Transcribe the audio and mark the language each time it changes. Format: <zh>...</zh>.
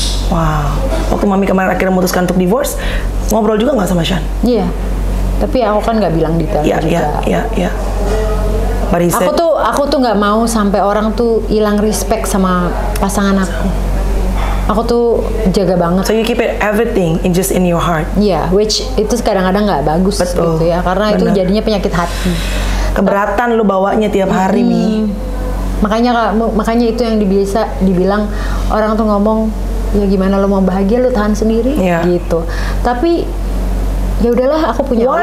<id>Wow. Waktu Mami kemarin akhirnya memutuskan untuk divorce, ngobrol juga gak sama Sean? Iya. Tapi aku kan gak bilang detail juga. Iya, iya, iya. Aku tuh gak mau sampai orang tuh hilang respect sama pasangan aku. aku tuh jaga banget.</id> <en>So you keep it everything in just in your heart. Yeah, which</en> <id>itu kadang-kadang nggak bagus. Betul. Gitu ya, karena bener. Itu jadinya penyakit hati. Keberatan lu bawanya tiap hari nih. Makanya itu yang bisa dibilang orang tuh ngomong, ya gimana lu mau bahagia lu tahan sendiri gitu. Tapi ya udahlah, aku punya</id>